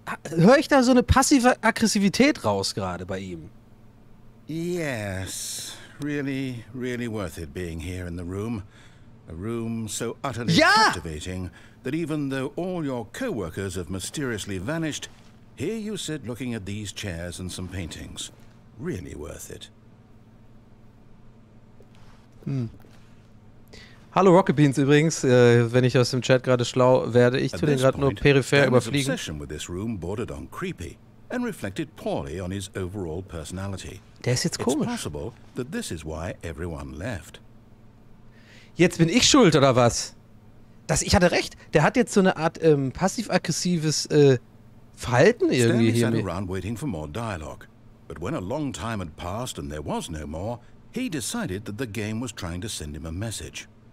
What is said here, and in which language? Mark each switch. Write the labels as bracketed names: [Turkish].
[German] Hör ich da so eine passive Aggressivität raus gerade bei ihm? [English] Yes, really, really worth it being here in the room. A room so utterly captivating that even though all your co-workers have mysteriously vanished, here you sit looking at these chairs and some paintings. Really worth it. Hm. [German] Hallo Rocket Beans übrigens, wenn ich aus dem Chat gerade schlau werde, ich tue den gerade nur peripher überfliegen. [English] Obsession with this room bordered on creepy and reflected poorly on his overall personality. [German] Der ist jetzt komisch. [English] It's possible that this is why everyone [German] left. Jetzt bin ich schuld, oder was? Das, ich hatte recht. Der hat jetzt so eine Art passiv-aggressives Verhalten irgendwie hier. [English] Stanley sat around waiting for more dialogue. But when a long time had passed and there was no more, he decided that the game was trying to send him a message.